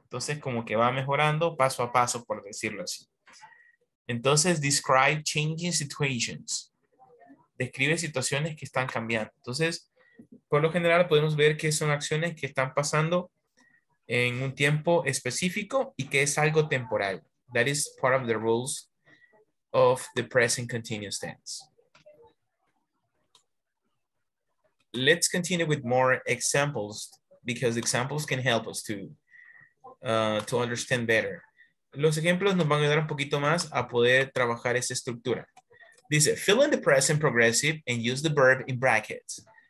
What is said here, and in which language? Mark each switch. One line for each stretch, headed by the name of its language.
Spanish: Entonces, como que va mejorando paso a paso, por decirlo así. Entonces,
English: describe changing situations.
Spanish: Describe situaciones que están cambiando. Entonces, por lo general, podemos ver que son acciones que están pasando en un tiempo específico y que es algo temporal.
English: That is part of the rules of the present continuous tense. Let's continue with more examples, because examples can help us to understand better.
Spanish: Los ejemplos nos van a ayudar un poquito más a poder trabajar esa estructura. Dice,
English: fill in the present progressive and use the verb in brackets.